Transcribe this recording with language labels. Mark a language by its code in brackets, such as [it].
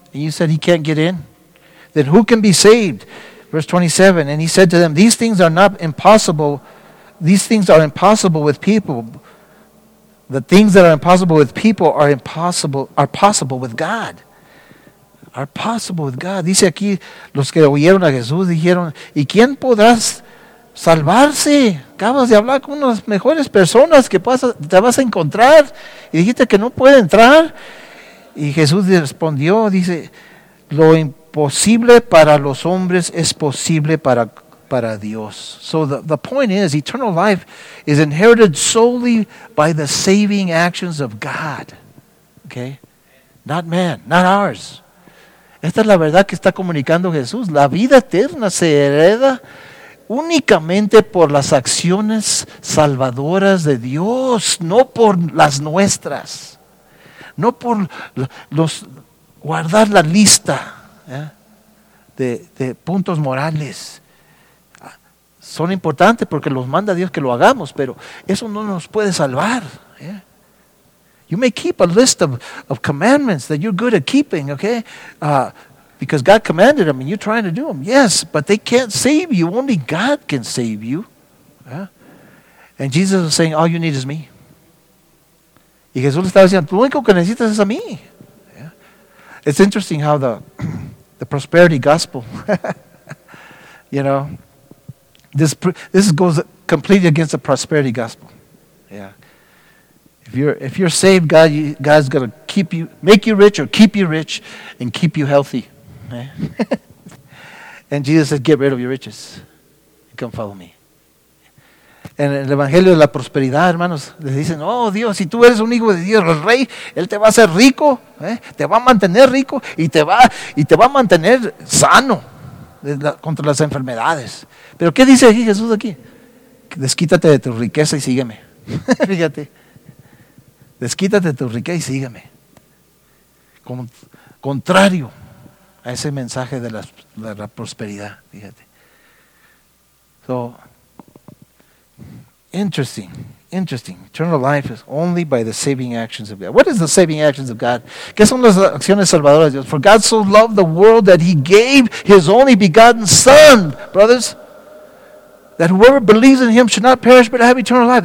[en] And you said he can't get in. Then who can be saved? Verse 27, and he said to them, these things are not impossible. These things are impossible with people. The things that are impossible with people are impossible, are possible with God. Are possible with God. [es] Dice aquí, los que oyeron a Jesús dijeron, ¿y quién podrás salvarse? Acabas de hablar con unas mejores personas que te vas a encontrar. Y dijiste que no puede entrar. Y Jesús respondió, dice, lo imposible para los hombres es posible para Dios. [en] So the point is, eternal life is inherited solely by the saving actions of God. Okay? Not man, not ours. [es] Esta es la verdad que está comunicando Jesús. La vida eterna se hereda únicamente por las acciones salvadoras de Dios, no por las nuestras, no por los guardar la lista de puntos morales. Son importantes porque los manda Dios que lo hagamos, pero eso no nos puede salvar. [en] You may keep a list of commandments that you're good at keeping, okay? Because God commanded them and you're trying to do them. Yes, but they can't save you. Only God can save you. Yeah? And Jesus was saying, all you need is me. [es] Y Jesús le estaba diciendo, lo único que necesitas es a mí. [en] Yeah? It's interesting how the prosperity gospel, you know, this goes completely against the prosperity gospel. Yeah. If you're saved, God's going to keep you, make you rich or keep you rich and keep you healthy. And Jesus said, get rid of your riches and come follow me. [es] En el evangelio de la prosperidad, hermanos, le dicen, oh Dios, si tú eres un hijo de Dios, el rey, él te va a hacer rico, te va a mantener rico y te va a mantener sano contra las enfermedades. Pero ¿qué dice aquí Jesús aquí? Desquítate de tu riqueza y sígueme. Fíjate, desquítate de tu riqueza y sígueme. Contrario a ese mensaje de la prosperidad, fíjate. [en] So, interesting. Eternal life is only by the saving actions of God. What is the saving actions of God? [es] ¿Qué son las acciones salvadoras de Dios? [en] For God so loved the world that he gave his only begotten son, brothers, that whoever believes in him should not perish but have eternal life.